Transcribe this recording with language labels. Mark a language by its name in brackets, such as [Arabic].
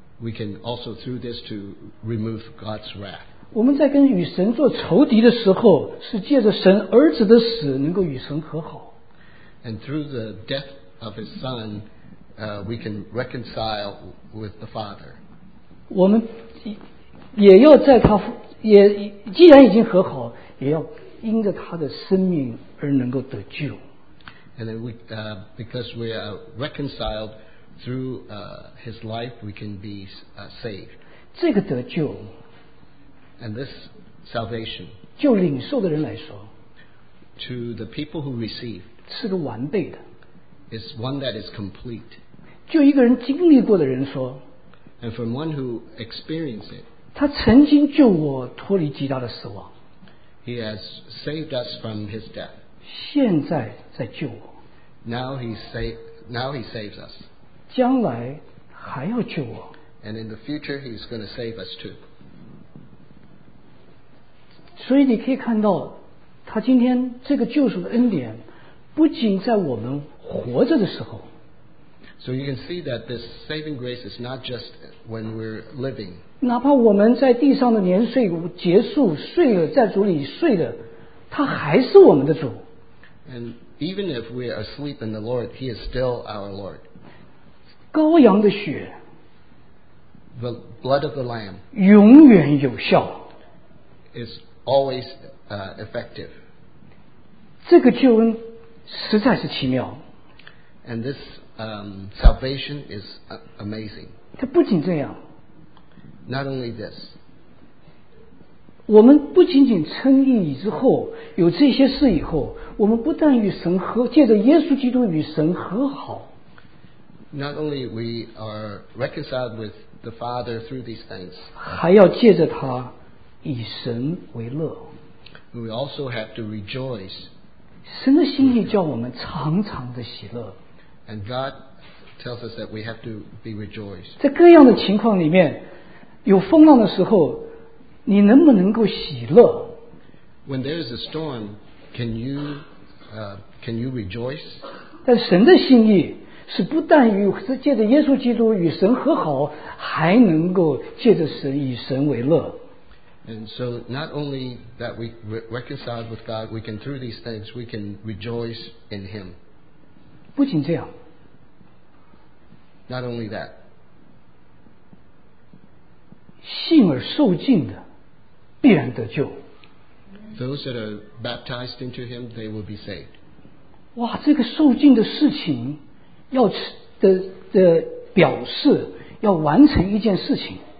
[English] We can also through this to remove God's wrath. [Chinese] 我们在跟与神做仇敌的时候，是借着神儿子的死能够与神和好。 [English] And through the death of his son, we can reconcile with the Father. [Chinese] 我们也要在他也既然已经和好，也要因着他的生命而能够得救。 [English] And then because we are reconciled through his life, we can be saved. [Chinese] 这个得救 [English] ，and this salvation. [Chinese] 就领受的人来说 [English] ，to the people who receive. [Chinese] 是个完备的 [English] It's one that is complete. [Chinese] 就一个人经历过的人说 [English] And from one who experienced it, [Chinese] 他曾经救我脱离极大的死亡 [English] He has saved us from his death. [Chinese] 现在在救我 [English] Now he saves us. [Chinese] 将来还要救我 [English] And in the future he's going to save us too. [Chinese] 所以你可以看到他今天这个救赎的恩典不仅在我们活着的时候 [English] So you can see that this saving grace is not just when we're living. [Chinese] 哪怕我们在地上的年岁结束睡了在主里睡了他还是我们的主 [English] And even if we are asleep in the Lord, he is still our Lord. [Chinese] 羔羊的血 [English] The blood of the Lamb [Chinese] 永远有效 [English] is always effective. [Chinese] 这个救恩实在是奇妙 [English] And this salvation is amazing [Chinese] 它不仅这样 [English] Not only this [Chinese] 我们不仅仅称义之后有这些事以后我们不但与神和借着耶稣基督与神和好 [English] Not only we are reconciled with the Father through these things [Chinese] 还要借着他以神为乐 [English] We also have to rejoice [Chinese] 神的心意叫我们常常的喜乐 [English] And God tells us that we have to be rejoiced [Chinese] 在各样的情况里面有风浪的时候你能不能够喜乐 [English] When there is a storm can you rejoice [Chinese] 但神的心意是不但与借着耶稣基督与神和好还能够借着神以神为乐 [English] And so not only that we reconciled with God, we can through these things, we can rejoice in Him. [Chinese] 不仅这样。 [English] Not only that. [Chinese] 信而受浸的必然得救。 [English] Those that are baptized into Him, they will be saved. [Chinese] 哇这个受浸的事情要 的表示要完成一件事情。